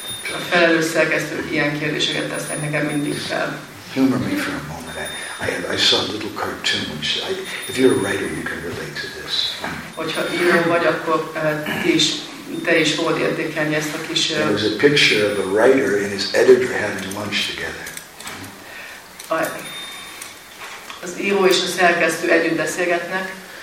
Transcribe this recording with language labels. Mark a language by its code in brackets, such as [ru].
[hu] A felelős szerkesztők ilyen kérdéseket tesznek nekem mindig fel. [en] Humor me for a moment. I saw a little cartoon. If you're a writer, you can relate to this. [hu] Hogyha író vagy, akkor te is fogod értékelni ezt a kis. [en] There was a picture of a writer and his editor having lunch together. [hu] Az író és a szerkesztő együtt beszélgetnek.